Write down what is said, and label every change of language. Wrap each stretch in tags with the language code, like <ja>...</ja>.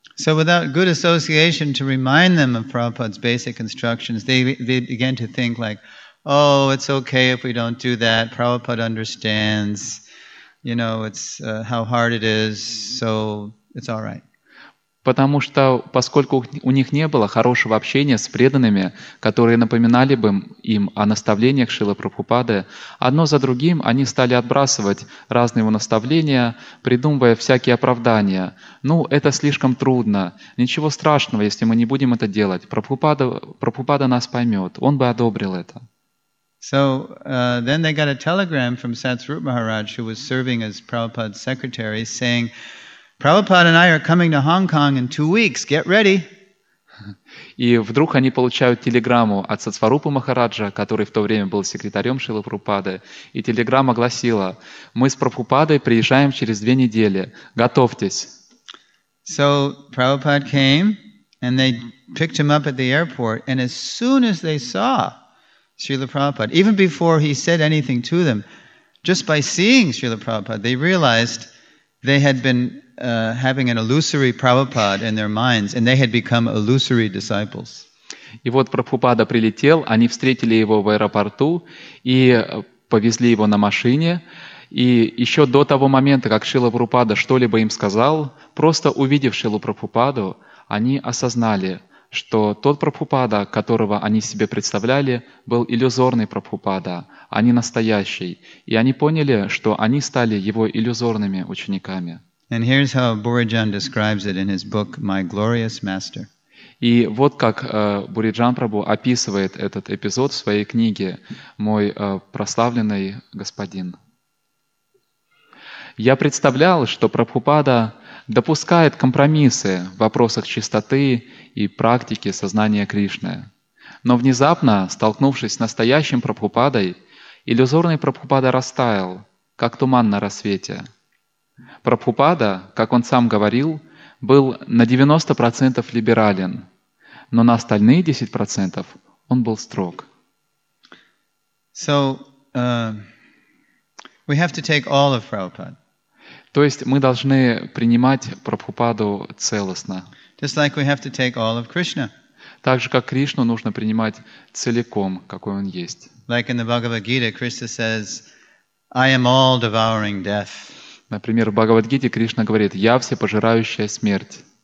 <en>So without good association to remind them of Prabhupada's basic instructions, they began to think like, oh, it's okay if we don't do that, Prabhupada understands, you know, it's how hard it is, so it's all right.</en> <ru>Потому что, поскольку у них не было хорошего общения с преданными, которые напоминали бы им о наставлениях Шрилы Прабхупады, одно за другим они стали отбрасывать разные его наставления, придумывая всякие оправдания. «Ну, это слишком трудно. Ничего страшного, если мы не будем это делать. Прабхупада нас поймет. Он бы одобрил это».</ru> <en>So then they got a telegram from Satsrup Maharaj, who was serving as Prabhupada's secretary, saying, Prabhupada and I are coming to Hong Kong in 2 weeks. Get ready.</en> <ru>И вдруг они получают телеграмму от Сатсварупы Махараджа, который в то время был секретарем Шрилы Прабхупады. И телеграмма гласила: «Мы с Прабхупадой приезжаем через 2 недели. Готовьтесь».</ru> <en>So Prabhupada came, and they picked him up at the airport. And as soon as they saw Srila Prabhupada, even before he said anything to them, just by seeing Srila Prabhupada, they realized they had been having an illusory Prabhupada in their minds, and they had become illusory disciples.</en> <ru>И вот Прабхупада прилетел, они встретили его в аэропорту и повезли его на машине. И еще до того момента, как Шрила Прабхупада что-либо им сказал, просто увидев Шрилу Прабхупаду, они осознали, что тот Прабхупада, которого они себе представляли, был иллюзорный Прабхупада, а не настоящий. И они поняли, что они стали его иллюзорными учениками.</ru> <en>And here's how Buridan describes it in his book My Glorious Master.</en> <ru>И вот как Буриджан Прабху описывает этот эпизод в своей книге Мой прославленный господин. Я представлял, что Прабхупада допускает компромиссы в вопросах чистоты и практики сознания Кришны. Но внезапно, столкнувшись с настоящим Прабхупадой, иллюзорный Прабхупада растаял, как туман на рассвете. Прабхупада, как он сам говорил, был на 90% либерален, но на остальные 10% он был строг.</ru> <en>So, we have to take all of Prabhupada.</en> <ru>То есть мы должны принимать Прабхупаду целостно.</ru> <en>Just like we have to take all of Krishna.</en> <ru>Так же, как Кришну нужно принимать целиком, какой он есть.</ru> <en>Like in the Bhagavad Gita, Krishna says, I am all devouring death.</en> <ru>Например, в Бхагавад-гите Кришна говорит: «Я всепожирающая смерть».</ru>